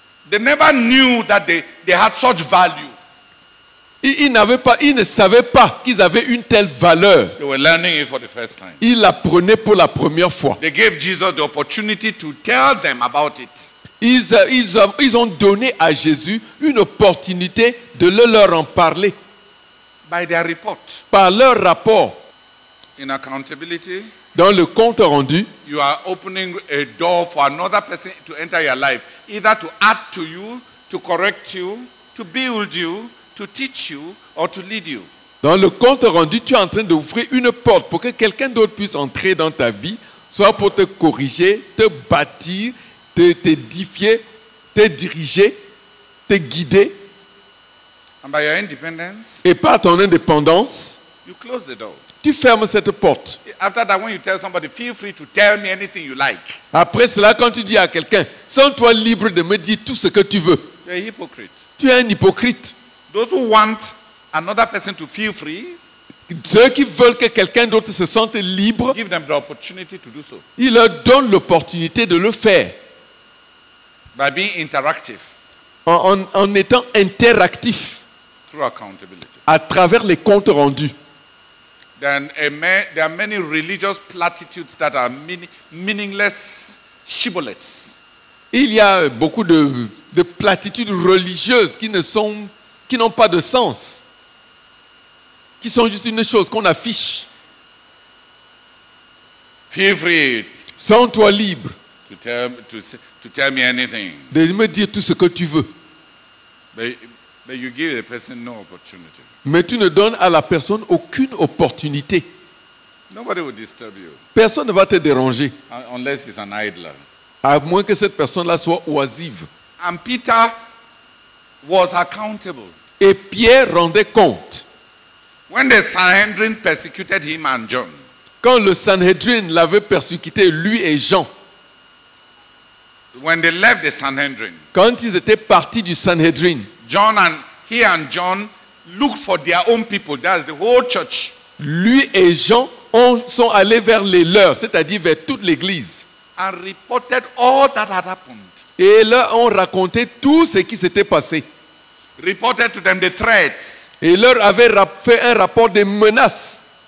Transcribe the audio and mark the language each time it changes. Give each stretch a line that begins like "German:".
English: They never knew that they had such value.
French: Ils ne savaient pas qu'ils avaient une telle valeur.
English: They were learning it for the first time.
French: Ils l'apprenaient pour la première fois.
English: They gave Jesus the opportunity to tell them about it.
French: Ils ont donné à Jésus une opportunité de leur en parler.
English: By their report.
French: Par leur rapport.
English: In accountability.
French: Dans le compte rendu.
English: You are opening a door for another person to enter your life. Either to add to you, to correct you, to build you, to teach you, or to lead you.
French: Dans le compte rendu, tu es en train d'ouvrir une porte pour que quelqu'un d'autre puisse entrer dans ta vie, soit pour te corriger, te bâtir, t'édifier, te diriger, te guider.
English: And by your independence,
French: et par ton indépendance,
English: you close the door.
French: Tu fermes cette porte.
English: After that, when you tell somebody, feel free to tell me anything you like.
French: Après cela, quand tu dis à quelqu'un, sens-toi libre de me dire tout ce que tu veux.
English: You're a hypocrite.
French: Tu es un hypocrite.
English: Those who want another person to feel free,
French: ceux qui veulent que quelqu'un d'autre se sente libre,
English: give them the opportunity to do so.
French: Ils leur donnent l'opportunité de le faire.
English: By being interactive.
French: En étant interactif.
English: Through accountability.
French: À travers les comptes rendus.
English: Then there are many religious platitudes that are meaningless shibboleths.
French: Il y a beaucoup de platitudes religieuses qui n'ont pas de sens, qui sont juste une chose qu'on affiche.
English: Feel free.
French: Sens-toi libre.
English: To tell me anything.
French: De me dire tout ce que tu veux.
English: But But you give the person no opportunity.
French: Mais tu ne donnes à la personne aucune opportunité.
English: Nobody will disturb you.
French: Personne ne va te déranger.
English: Unless he's an idler.
French: À moins que cette personne-là soit oisive.
English: And Peter was accountable.
French: Et Pierre rendait compte.
English: When the Sanhedrin persecuted him and John.
French: Quand le Sanhedrin l'avait persécuté, lui et Jean.
English: When they left the Sanhedrin.
French: Quand ils étaient partis du Sanhedrin.
English: John and he and John looked for their own people. That's the whole church.
French: Lui et Jean sont allés vers les leurs, c'est-à-dire vers toute l'église.
English: And reported all that had happened.
French: Et leur ont raconté tout ce qui s'était passé.
English: Reported to them the threats.
French: Et leur avait fait un rapport de menaces.